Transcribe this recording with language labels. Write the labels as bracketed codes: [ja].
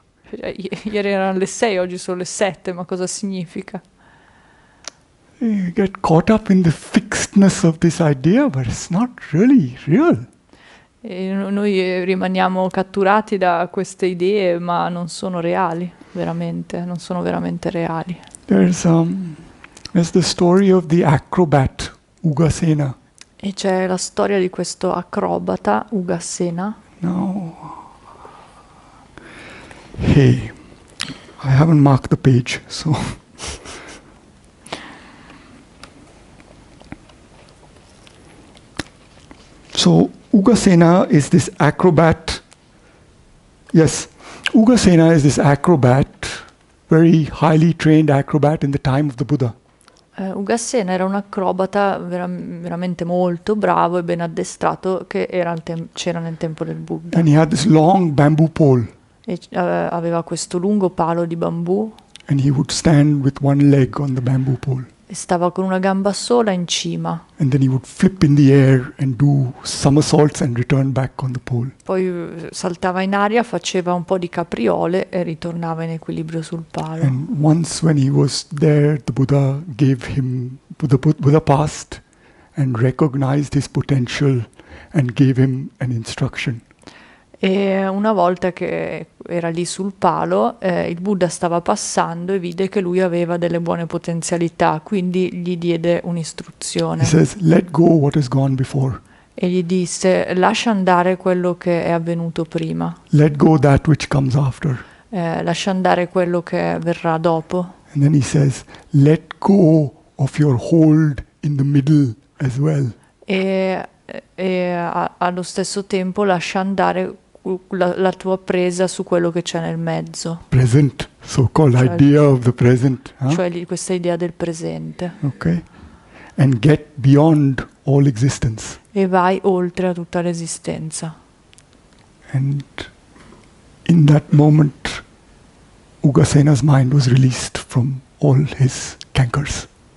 [it] Ieri erano le 6, oggi sono le 7, ma cosa significa? [en] You get caught up in the fixedness of this idea, but it's not really real. [it] E noi rimaniamo catturati da queste idee, ma non sono reali, veramente, non sono veramente reali. [en] There's the story of the acrobat Ugasena. [it] E c'è la storia di questo acrobata, Ugasena. [en] No. Hey, I haven't marked the page, so. So Ugasena is this acrobat. Yes, Ugasena is this acrobat, very highly trained acrobat in the time of the Buddha. [it] Ugasena era un acrobata veramente molto bravo e ben addestrato che c'era nel tempo del Buddha. [en] And he had this long bamboo pole. [it] E aveva questo lungo palo di bambù e [en] And he would stand with one leg on the bamboo pole. [it] stava con una gamba sola in cima. Poi [en] And then he would flip in the air and do somersaults and return back on the pole. [it] saltava in aria, faceva un po' di capriole e ritornava in equilibrio sul palo. [en] And once when he was there, the Buddha gave him, Buddha passed and recognized his potential and gave him an instruction. [it] E una volta che era lì sul palo, il Buddha stava passando e vide che lui aveva delle buone potenzialità, quindi gli diede [en] He [it] un'istruzione. [en] says, let go what has gone before. [it] E gli disse: lascia andare quello che è avvenuto prima, [en] Let go that which comes after. [it] lascia andare quello che verrà dopo. [en] And then he says, let go of your hold in the middle as well. [it] Allo stesso tempo lascia andare la tua presa su quello che c'è nel mezzo, [en] Present, so-called idea of the present, huh? [it] cioè questa idea del presente, [en] Okay. And get beyond all existence. [it] e vai oltre a tutta l'esistenza. [en] And in that moment, Ugasena's mind was released from all his cankers.